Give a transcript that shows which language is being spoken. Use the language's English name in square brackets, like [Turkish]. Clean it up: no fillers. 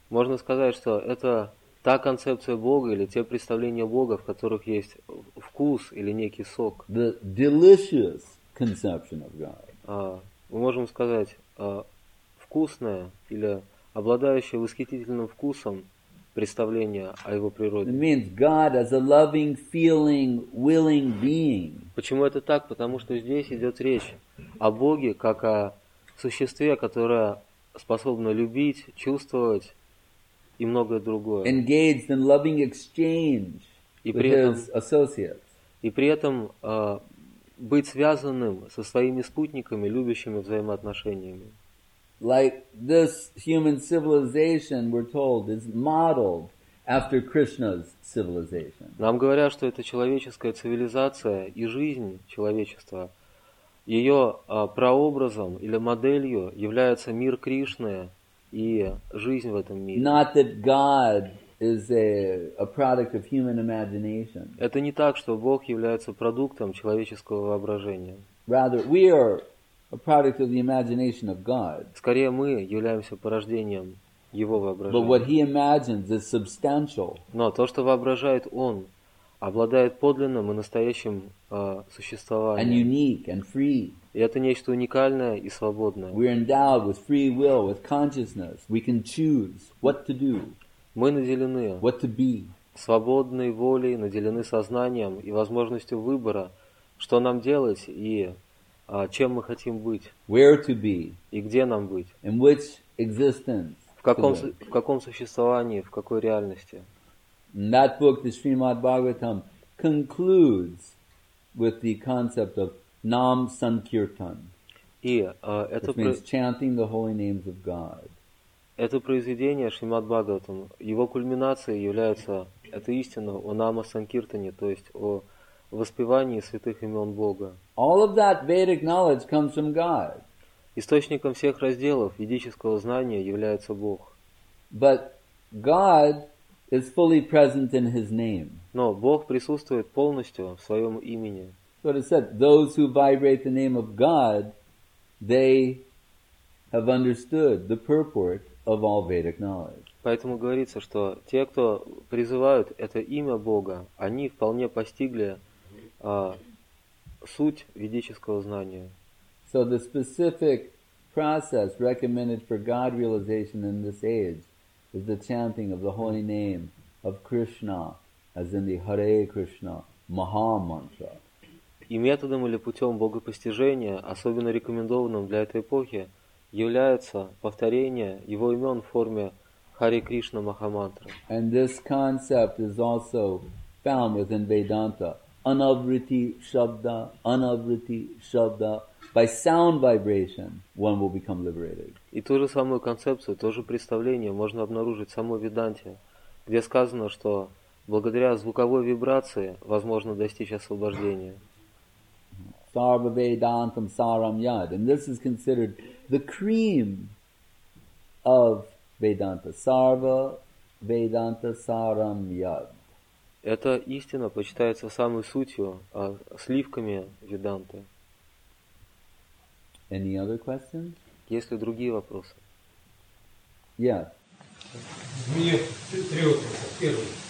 [Russian] Можно сказать, что это та концепция Бога или те представления Бога, в которых есть вкус или некий сок. [English] The delicious conception of God. [Russian] Мы можем сказать вкусное или обладающее восхитительным вкусом представление о его природе. [English] It means God as a loving, feeling, willing being. [Russian] Почему это так? Потому что здесь идет речь о Боге как о существе, которое способно любить, чувствовать и многое другое. [English] Engaged in loving exchange with his associates. [Russian] И при этом быть связанным со своими спутниками, любящими взаимоотношениями. [English] Like this human civilization, we're told, is modeled after Krishna's civilization. [Russian] Нам говорят, что эта человеческая цивилизация и жизнь человечества, ее прообразом или моделью является мир Кришны и жизнь в этом мире. [English] Not that God is a product of human imagination. [Russian] Это не так, что Бог является продуктом человеческого воображения. [English] Rather, we are a product of the imagination of God. [Russian] Скорее, мы являемся порождением Его воображения. [English] But what He imagines is substantial. [Russian] Но то, что воображает Он, обладает подлинным и настоящим существованием. [English] And unique and free. [Russian] И это нечто уникальное и свободное. [English] We are endowed with free will, with consciousness. We can choose what to do. [Russian] Мы наделены свободной волей, наделены сознанием и возможностью выбора, что нам делать и чем мы хотим быть. [English] Where to be, [Russian] и где нам быть. [English] In which existence, [Russian] в каком существовании, в какой реальности. [English] And that book, the Srimad Bhagavatam, concludes with the concept of Nam Sankirtan. Which means chanting the holy names of God. [Russian] Это произведение Шримад Бхагаватам, его кульминацией является эта истина о Нама Санкиртане, то есть о воспевании святых имен Бога. [English] All of that Vedic knowledge comes from God. [Russian] Источником всех разделов ведического знания является Бог. [English] But God is fully present in His name. [Russian] Но Бог присутствует полностью в своем имени. [English] So it is said, those who vibrate the name of God, they have understood the purport of all Vedic knowledge. [Russian] Поэтому говорится, что те, кто призывают это имя Бога, они вполне постигли суть ведического знания. [English] So the specific process recommended for God realization in this age is the chanting of the holy name of Krishna, as in the Hare Krishna Maha Mantra. [Russian] И методом или путем богопостижения, особенно рекомендованным для этой эпохи, является повторение его имен в форме Хари Кришна Махамантра. [English] And this concept is also found within Vedanta. [Sanskrit] Anavriti Shabda, Anavriti Shabda. [English] By sound vibration, one will become liberated. [Russian] И ту же самую концепцию, то же представление можно обнаружить в самой Веданте, где сказано, что благодаря звуковой вибрации возможно достичь освобождения. [Sanskrit] Sarva Vedantam Saram Yad. [English] And this is considered the cream of Vedanta. [Sanskrit] Sarva Vedanta Saram Yad. [Russian] Эта истина почитается самой сутью, сливками Веданты. [English] Any other questions? [Russian] Есть ли другие вопросы? [English] Yes. [Russian] У меня три вопроса. Первый.